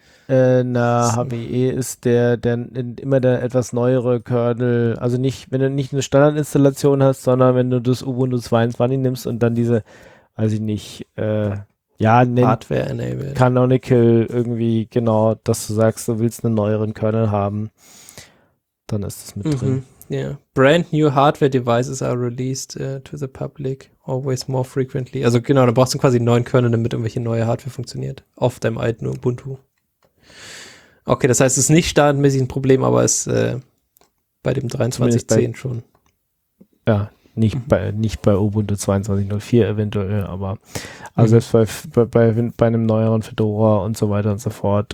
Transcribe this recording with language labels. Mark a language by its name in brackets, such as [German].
[German] HWE ist der etwas neuere Kernel, also nicht, wenn du nicht eine Standardinstallation hast, sondern wenn du das Ubuntu 22 nimmst und dann diese, weiß ich nicht, [English] Hardware-enabled. [German] Canonical irgendwie, genau, dass du sagst, du willst einen neueren Kernel haben, dann ist das mit drin. [English] Yeah. Brand new hardware devices are released to the public always more frequently. [German] Also genau, da brauchst du quasi einen neuen Kernel, damit irgendwelche neue Hardware funktioniert, auf deinem alten Ubuntu. Okay, das heißt, es ist nicht standardmäßig ein Problem, aber es ist bei dem 23.10 schon. Ja, nicht bei Ubuntu 22.04 eventuell, aber also selbst bei einem neueren Fedora und so weiter und so fort.